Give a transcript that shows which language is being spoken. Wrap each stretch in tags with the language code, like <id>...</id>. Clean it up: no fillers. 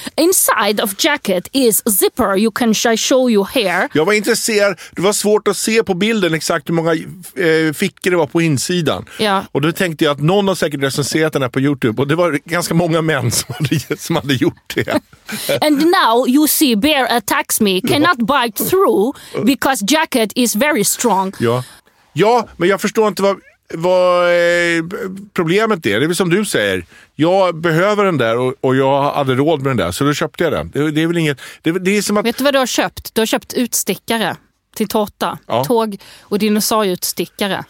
<en>Inside of jacket is a zipper. You can show you here.</en> <sv>Jag var intresserad. Det var svårt att se på bilden exakt hur många fickor det var på insidan. Ja. Och då tänkte jag att någon har säkert recenserat den här på YouTube. Och det var ganska många män som hade gjort det.</sv> <en>And now you see bear attacks me. Cannot bite through because jacket is very strong.</en> <sv>Ja. Ja, men jag förstår inte vad problemet är. Det är väl som du säger. Jag behöver den där och jag hade råd med den där. Så då köpte jag den. Det är väl inget, det är som att... Vet du vad du har köpt? Du har köpt utstickare till tårta. Ja. Tåg och dinosaurieutstickare.</sv>